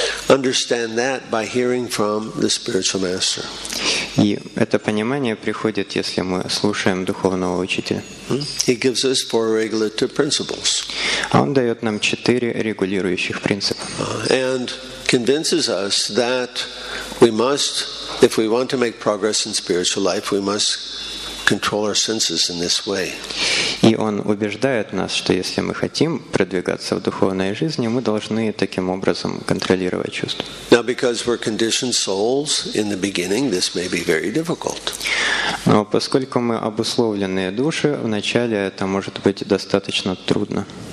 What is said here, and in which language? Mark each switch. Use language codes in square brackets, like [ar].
[en] Understand that by hearing from the spiritual master. [ru] И это понимание приходит, если мы слушаем духовного учителя. [en] He gives us four regulative principles. [ru] Он дает нам четыре регулирующих принципа. [en] And convinces us that we must, if we want to make progress in spiritual life, we must control our senses in this way. [ru] И он убеждает нас, что если мы хотим продвигаться в духовной жизни, мы должны таким образом контролировать чувства. [en] Now, because we're conditioned souls in the beginning, this may be very difficult. [ru] Но поскольку мы обусловленные души, вначале это может быть достаточно трудно.